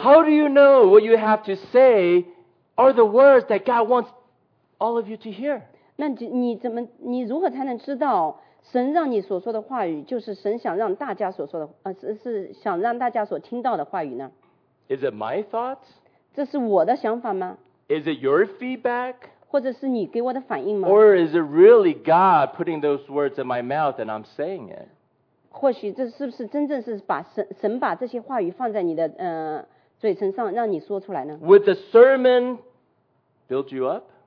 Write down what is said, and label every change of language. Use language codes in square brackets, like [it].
[en] How do you know what you have to say are the words that God wants all of you to hear? [zh] 那你如何才能知道？神让你所说的话语，就是神想让大家所说的，是想让大家所听到的话语呢？ [en] Is it my thoughts? [zh] 这是我的想法吗？ [en] Is it your feedback? [zh] 或者是你给我的反应吗？ [en] Or is it really God putting those words in my mouth and I'm saying it? [zh] 或许这是不是真正是把神把这些话语放在你的嘴唇上，让你说出来呢？ [en] Would the sermon build you up?